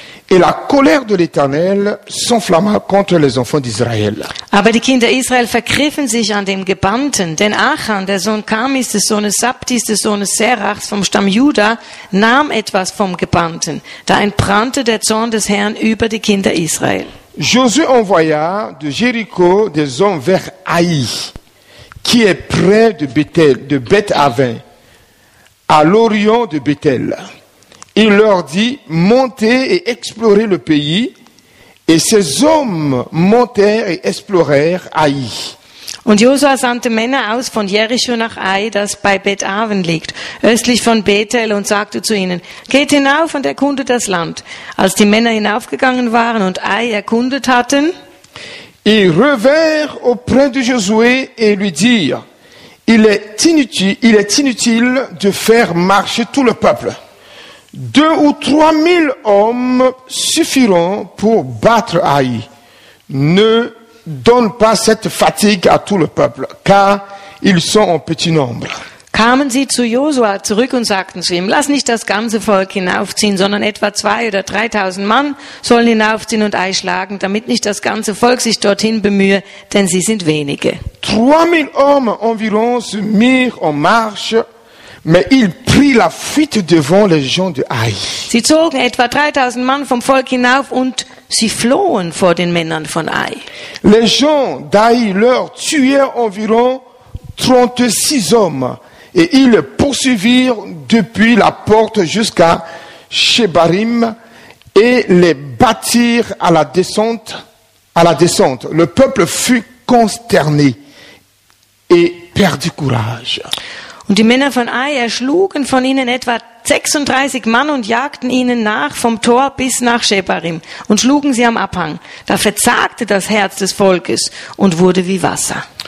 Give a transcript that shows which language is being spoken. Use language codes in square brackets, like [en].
[fr] Et la colère de l'Éternel s'enflamma contre les enfants d'Israël. [de] Aber die Kinder Israel vergriffen sich an dem Gebannten, denn Achan, der Sohn Karmis, des Sohnes Sabdis, des Sohnes Serachs vom Stamm Juda, nahm etwas vom Gebannten. Da entbrannte der Zorn des Herrn über die Kinder Israel. [fr] Josué envoya de Jéricho des hommes vers Aï, qui est près de Bethel, de Beth-Avin, à l'orient de Bethel. Il leur dit, montez et explorez le pays. Et ces hommes montèrent et explorèrent Aï. [de] Und Josua sandte Männer aus von Jericho nach Ai, das bei Beth-Aven liegt, östlich von Bethel, und sagte zu ihnen, geht hinauf und erkundet das Land. Als die Männer hinaufgegangen waren und Ai erkundet hatten, [fr] ils revinrent auprès de Josué et lui dirent, il est inutile de faire marcher tout le peuple. 2 ou 3 000 hommes suffiront pour battre Ai. Ne donne pas cette fatigue à tout le peuple, car ils sont en petit nombre. [de] Kamen sie zu Josua zurück und sagten zu ihm, lass nicht das ganze Volk hinaufziehen, sondern etwa 2 oder 3.000 Mann sollen hinaufziehen und Ai schlagen, damit nicht das ganze Volk sich dorthin bemühe, denn sie sind wenige. [fr] 3 000 hommes environ se mirent en marche, mais il prit la fuite devant les gens de Ai. [de] Sie zogen etwa 3.000 Mann vom Volk hinauf und sie flohen vor den Männern von Ai. [fr] Les gens d'Ai leur tuèrent environ 36 hommes et ils poursuivirent depuis la porte jusqu'à Shebarim et les battirent à la descente. Le peuple fut consterné et perdit courage. [de] Und die Männer von Ai erschlugen von ihnen etwa 36 Mann und jagten ihnen nach vom Tor bis nach Shebarim und schlugen sie am Abhang. Da verzagte das Herz des Volkes und wurde wie Wasser.